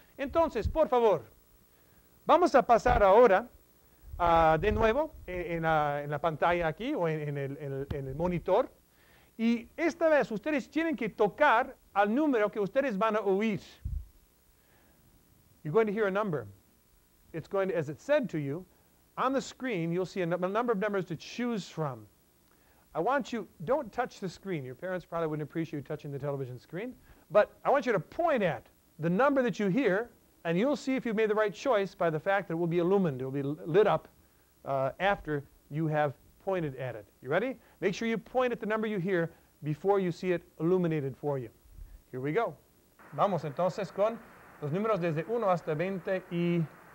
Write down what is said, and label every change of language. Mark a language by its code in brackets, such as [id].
[es] Entonces, por favor, vamos a pasar ahora de nuevo en la pantalla aquí o en el monitor. Y esta vez ustedes tienen que tocar al número que ustedes van a oír. [en] You're going to hear a number. It's going to, as it said to you, on the screen you'll see a number of numbers to choose from. I want you, don't touch the screen. Your parents probably wouldn't appreciate you touching the television screen. But I want you to point at the number that you hear, and you'll see if you've made the right choice by the fact that it will be illumined. It will be lit up after you have pointed at it. You ready? Make sure you point at the number you hear before you see it illuminated for you. Here we go. [es] Vamos entonces con los números desde 1 hasta 20 y...